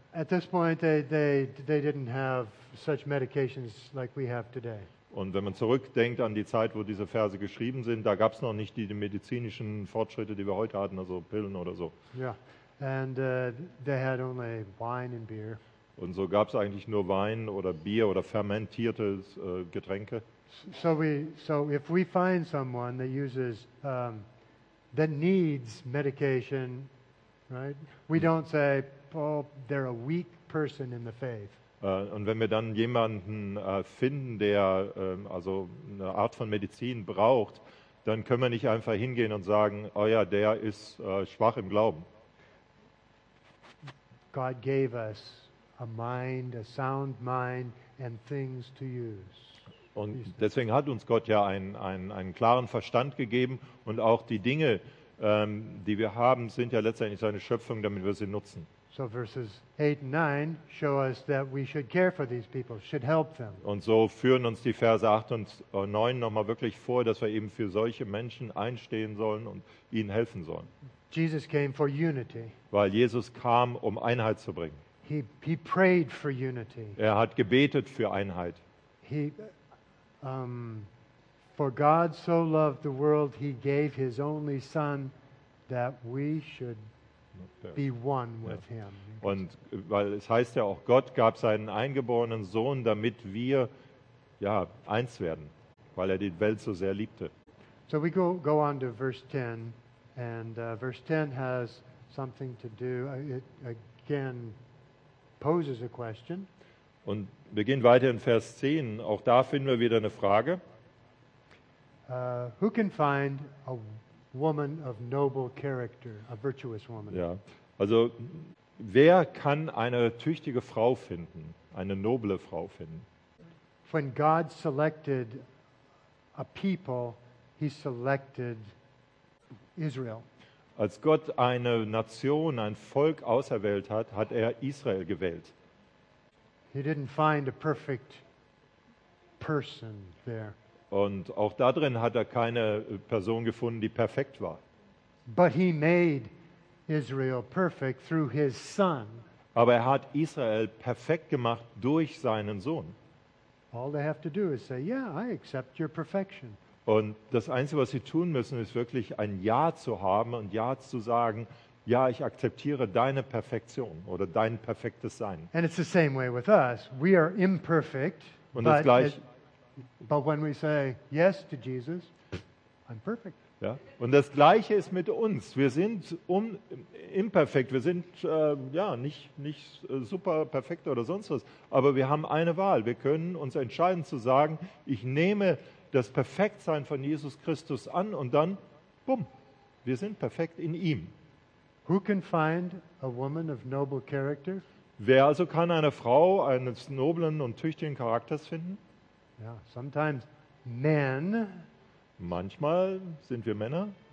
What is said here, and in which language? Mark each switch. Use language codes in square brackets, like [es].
[en] At this point they didn't have such medications like we have today. [de] Und wenn man zurückdenkt an die Zeit, wo diese Verse geschrieben sind, da gab es noch nicht die medizinischen Fortschritte, die wir heute hatten, also Pillen oder so. [en] Yeah. And they had only wine and beer. [de] Und so gab es eigentlich nur Wein oder Bier oder fermentierte Getränke. [en] So if we find someone that uses that needs medication, right? We don't say, oh, they're a weak person in the faith. [de] Und wenn wir dann jemanden finden, der also eine Art von Medizin braucht, dann können wir nicht einfach hingehen und sagen, oh ja, der ist schwach im Glauben. [en] God gave us a mind, a sound mind, and things to use. [de] Und deswegen hat uns Gott ja einen klaren Verstand gegeben und auch die Dinge, die wir haben, sind ja letztendlich seine Schöpfung, damit wir sie nutzen. [en] So verses 8 and 9 show us that we should care for these people, should help them. [de] Und so führen uns die Verse 8 und 9 nochmal wirklich vor, dass wir eben für solche Menschen einstehen sollen und ihnen helfen sollen. [en] Jesus came for unity. [de] Weil Jesus kam, um Einheit zu bringen. [en] He prayed for unity. [de] Er hat gebetet für Einheit. [en] For God so loved the world, he gave his only son that we should be one with him. [de] Und weil es heißt ja auch, Gott gab seinen eingeborenen Sohn, damit wir ja eins werden, weil er die Welt so sehr liebte. [en] So we go on to verse 10, and verse 10 has something to do, it again poses a question. [de] Und beginnt weiter in Vers 10, auch da finden wir wieder eine Frage. [en] Who can find a woman of noble character, a virtuous woman. [de] Ja. Also, wer kann eine tüchtige Frau finden, eine noble Frau finden? [en] When God selected a people, he selected Israel. [de] Als Gott eine Nation, ein Volk auserwählt hat, hat er Israel gewählt. [en] He didn't find a perfect person there. [de] Und auch darin hat er keine Person gefunden, die perfekt war. [en] But he made Israel perfect through his son. [de] Aber er hat Israel perfekt gemacht durch seinen Sohn. [en] All they have to do is say, yeah, I accept your perfection. [de] Und das Einzige, was sie tun müssen, ist wirklich ein Ja zu haben und Ja zu sagen, ja, ich akzeptiere deine Perfektion oder dein perfektes Sein. [en] And it's the same way with us. We are imperfect. [de] Und das Gleiche. [en] But when we say yes to Jesus, I'm perfect. [de] Ja. Und das Gleiche ist mit uns. Wir sind imperfekt. Wir sind nicht super perfekt oder sonst was. Aber wir haben eine Wahl. Wir können uns entscheiden zu sagen, ich nehme das Perfektsein von Jesus Christus an und dann, bumm, wir sind perfekt in ihm. [en] Who can find a woman of noble character? [de] Wer also kann eine Frau eines noblen und tüchtigen Charakters finden? [en] Yeah, sometimes men. [de] Manchmal sind wir Männer.